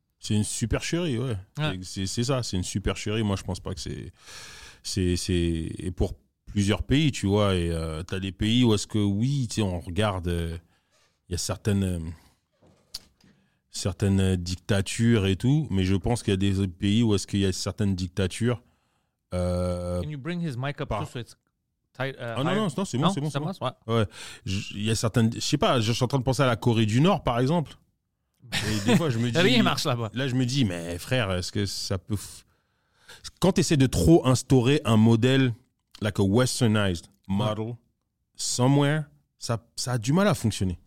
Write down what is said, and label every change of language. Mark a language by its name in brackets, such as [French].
[French] C'est une supercherie, ouais. C'est ça, c'est une supercherie. Moi, je pense pas que c'est... Et pour plusieurs pays, tu vois, et t'as des pays où est-ce que, oui, tu sais, on regarde... Il y a certaines dictatures et tout, mais je pense qu'il y a des autres pays où est-ce qu'il y a certaines dictatures... [English] Can you bring his mic up too, so it's tight? [French] Non, c'est bon. Ouais. Il y a certaines... Je sais pas, je suis en train de penser à la Corée du Nord, par exemple. Et des fois, je me dis, rien marche là-bas. Là, je me dis, mais frère, est-ce que ça peut... Quand tu essaies de trop instaurer un modèle, [English] like a westernized model, somewhere, [French] ça a du mal à fonctionner.